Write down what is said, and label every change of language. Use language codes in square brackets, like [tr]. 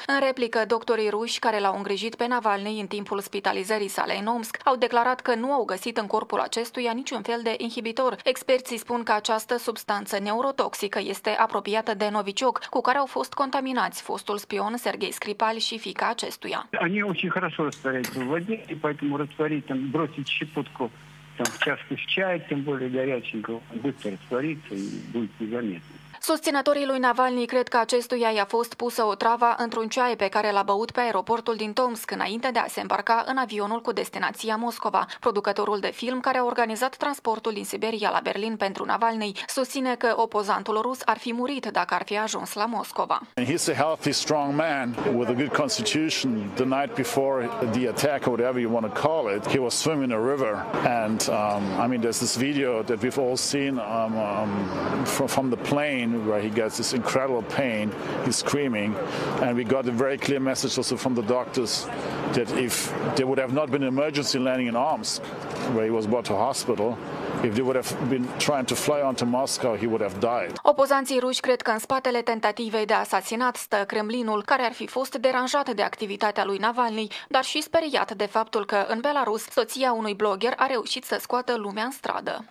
[ro] În replică, doctorii ruși care l-au îngrijit pe Navalny în timpul spitalizării sale în Omsk au declarat că nu au găsit în corpul acestuia niciun fel de inhibitor. Experții spun că această substanță neurotoxică este apropiată de novicioc, cu care au fost contaminați fostul spion Sergei Skripal și fiica Acestuia. [ru] Они очень хорошо растворяются в воде, и поэтому растворить, там, бросить щепотку там, в чашку с чаем, тем более горяченького, быстро растворится и будет незаметно. [ro] Susținătorii lui Navalny cred că acestuia i-a fost pusă o travă într-un ceai pe care l-a băut pe aeroportul din Tomsk înainte de a se îmbarca în avionul cu destinația Moscova. Producătorul de film care a organizat transportul din Siberia la Berlin pentru Navalny susține că opozantul rus ar fi murit dacă ar fi ajuns la Moscova. [en] He's a healthy, strong man with a good constitution. The night before the attack, or whatever you want to call it, he was swimming in a river and I mean there's this video that we've all seen from the plane. Where he gets this incredible pain, he's screaming, and we got a very clear message also from the doctors that if there would have not been an emergency landing in Omsk, where he was brought to hospital, if they would have been trying to fly onto Moscow, he would have died. [ro] Opozanții ruși cred că în spatele tentativei de asasinat stă Kremlinul, care ar fi fost deranjat de activitatea lui Navalny, dar și speriat de faptul că în Belarus soția unui blogger a reușit să scoată lumea în stradă.